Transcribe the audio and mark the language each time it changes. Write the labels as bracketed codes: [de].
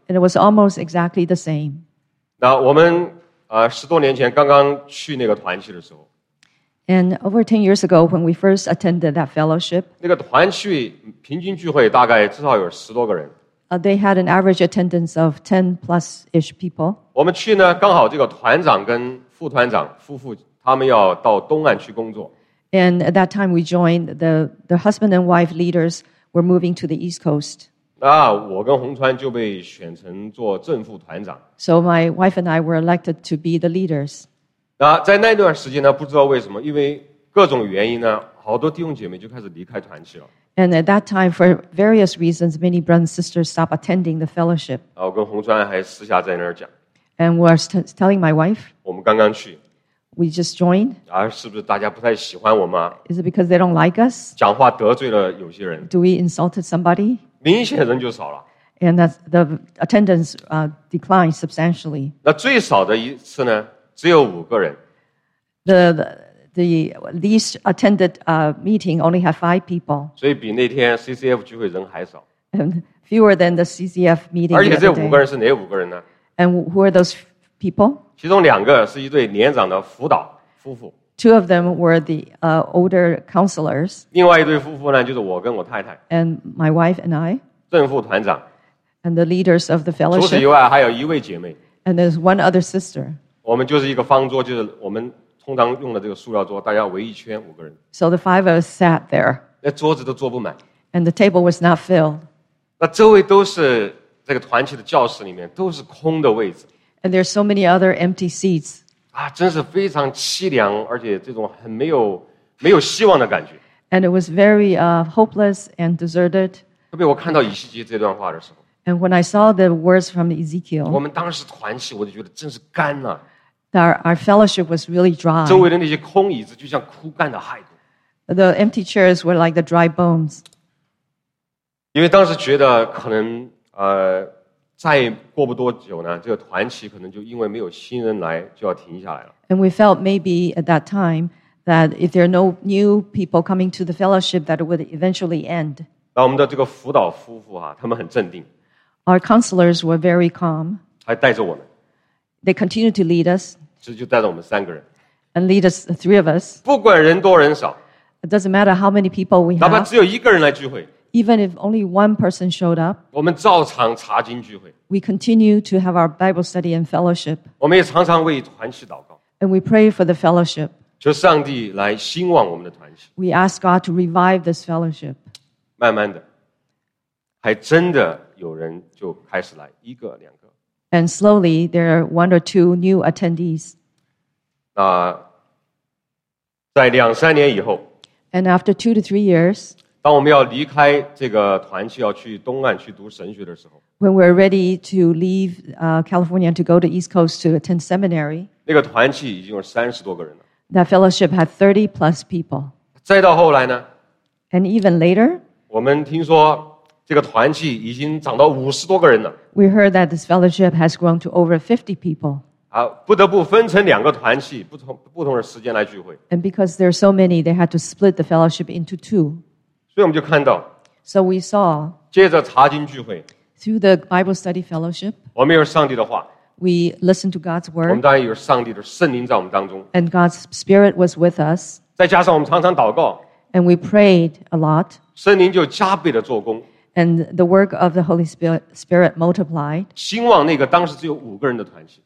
[en] And it was almost exactly the same. [zh] 那我们十多年前刚刚去那个团契的时候。 [en] And over 10 years ago when we first attended that fellowship. [zh] 那个团契平均聚会大概至少有十多个人。 [en] They had an average attendance of 10-plus-ish people. [zh] 我们去呢，刚好这个团长跟副团长夫妇，他们要到东岸去工作。 [en] And at that time, we joined the husband and wife leaders were moving to the East Coast. [zh] 那我跟洪川就被选成做正副团长。 [en] So my wife and I were elected to be the leaders. [zh] 那在那段时间呢，不知道为什么，因为各种原因呢，好多弟兄姐妹就开始离开团契了。 [en] And at that time, for various reasons, many brothers and sisters stopped attending the fellowship. [zh] 我跟洪川还私下在那儿讲。 [en] And we're telling my wife. [zh] 我们刚刚去。 [en] We just joined. [zh] 是不是大家不太喜欢我吗？ [en] Is it because they don't like us? [zh] 讲话得罪了有些人。 [en] Do we insulted somebody? [zh] 明显人就少了。 [en] And that the attendance declined substantially. [zh] 那最少的一次呢，只有五个人。 [en] The least attended meeting only had 5 people. [zh] 所以比那天 CCF 聚会人还少。 [en] And fewer than the CCF meeting. [zh] 而且这五个人是哪五个人呢？ [en] And who are those people? [zh] 其中两个是一对年长的辅导夫妇。 [en] Two of them were the older counselors. [zh] 另外一对夫妇呢，就是我跟我太太。 [en] And my wife and I. [zh] 正副团长。 [en] And the leaders of the fellowship. [zh] 除此以外，还有一位姐妹。 [en] And there's one other sister. [zh] 我们就是一个方桌，就是我们。通常用的这个塑料桌，大家围一圈五个人。 [en] So the five of us sat there. [zh] 那桌子都坐不满。 [en] And the table was not filled. [zh] 那周围都是这个团契的教室里面都是空的位置。 [en] And there are so many other empty seats. [zh] 啊，真是非常凄凉，而且这种很没有希望的感觉。 [en] And it was very hopeless and deserted. [zh] 特别我看到以西结这段话的时候。 [en] And when I saw the words from Ezekiel. [zh] 我们当时团契，我就觉得真是干了。 [en] Our fellowship was really dry. [zh] 周围的那些空椅子就像枯干的骸骨。 [en] The empty chairs were like the dry bones. [zh] 因为当时觉得可能再过不多久呢，这个团契可能就因为没有新人来就要停下来了。 [en] And we felt maybe at that time that if there are no new people coming to the fellowship, that it would eventually end. [zh] 那我们的这个辅导夫妇啊，他们很镇定。 [en] Our counselors were very calm. [zh] 还带着我们。 [en] They continue to lead us. [zh] 就带着我们三个人。 [en] And lead us, the three of us. [zh] 不管人多人少。 [en] It doesn't matter how many people we have. [zh] 哪怕只有一个人来聚会。 [en] Even if only one person showed up. [zh] 我们照常查经聚会。 [en] We continue to have our Bible study and fellowship. [zh] 我们也常常为团契祷告。 [en] And we pray for the fellowship. [zh] 求上帝来兴旺我们的团契。 [en] We ask God to revive this fellowship. [zh] 慢慢的，还真的有人就开始来，一个两个。 [en] And slowly, there are one or two new attendees. [zh] 在两三年以后 [en] And after 2 to 3 years, [zh] 当我们要离开这个团契，要去东岸去读神学的时候 [en] When we're ready to leave California to go to East Coast to attend seminary, [zh] 那个团契已经有三十多个人了 [en] That fellowship had 30 plus people. [zh] 再到后来呢 [en] And even later, [zh] 我们听说这个团契已经涨到五十多个人了。 [en] We heard that this fellowship has grown to over 50 people. [zh] 不得不分成两个团契，不同的时间来聚会。 [en] And because there are so many, they had to split the fellowship into two. [zh] 所以我们就看到。 [en] So we saw. [zh] 接着查经聚会。 [en] Through the Bible study fellowship. [zh] 我们有上帝的话。 [en] We listened to God's word. [zh] 我们当然有上帝的圣灵在我们当中。 [en] And God's spirit was with us. [zh] 再加上我们常常祷告。 [en] And we prayed a lot. [zh] 圣灵就加倍的做工。 [en] And the work of the Holy Spirit multiplied. [zh] 兴旺那个当时只有五个人的团契。